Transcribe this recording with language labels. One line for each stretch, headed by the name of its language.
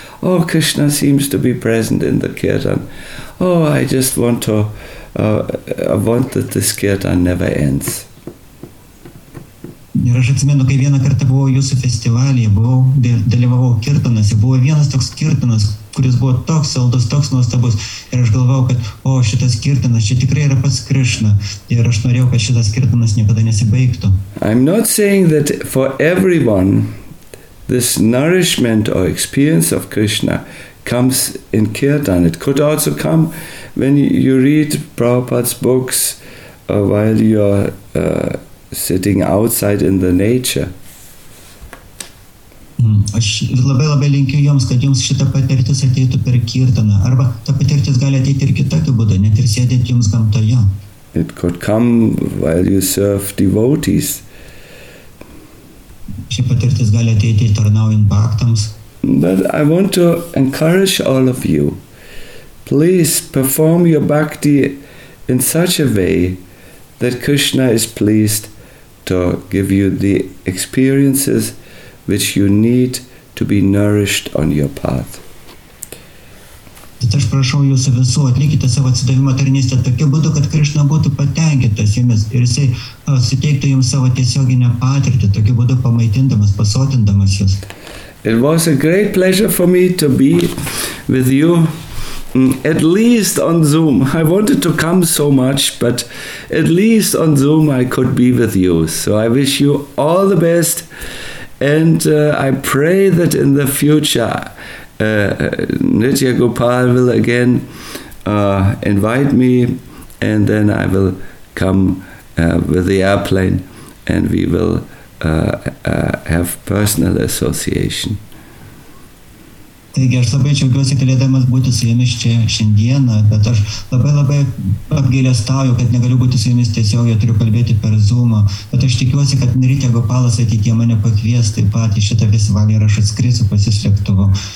English: Oh, Krishna seems to be present in the kirtan. Oh, I just want to, I want that this kirtan never ends.
Lithuanian: Ir aš atsimenu, kai vieną kartą buvau jūsų festivalyje, dalyvavau kirtanas, ir buvo vienas toks kirtanas, kuris buvo toks saldus, toks nuostabus, ir aš galvojau, kad, o, šitas kirtanas, čia tikrai yra pats Krishna, ir aš norėjau, kad šitas kirtanas niekada nesibaigtų.
English: I'm not saying that for everyone this nourishment or experience of Krishna comes in kirtan. It could also come when you read Prabhupada's books while you're sitting outside in the nature.
Lithuanian: Aš labai labai linkiu jums, kad jums šita patirtis ateitų per kirtaną, arba ta patirtis gali ateiti ir kitokiu būdu, net ir sėdint jums gamtoje.
English: It could come while you serve devotees.
Lithuanian: Ši patirtis gali ateiti tarnaujant bhaktams.
English: But I want to encourage all of you, please perform your bhakti in such a way that Krishna is pleased to give you the experiences which you need to be nourished on your path.
Lithuanian: Tad aš prašau jūsų visų, atlikite savo atsidavimo tarnystę tokiu būdu, kad Krishna būtų patenkintas jumis ir jisai suteiktų jums savo tiesioginę patirtį, tokiu būdu pamaitindamas, pasotindamas jūs.
English: It was a great pleasure for me to be with you. At least on Zoom. I wanted to come so much, but at least on Zoom I could be with you. So I wish you all the best, and I pray that in the future Nitya Gopal will again invite me, and then I will come with the airplane and we will have personal association.
Lithuanian: Taigi aš labai džiaugiuosi galėdamas būti su jumis čia šiandieną, bet aš labai labai apgailestauju, kad negaliu būti su jumis tiesiog, turiu kalbėti per Zoom'ą, bet aš tikiuosi, kad Nitya Gopalas ateityje mane pakvies taip pat į šitą festivalį ir aš atskrisiu pas jus lėktuvu.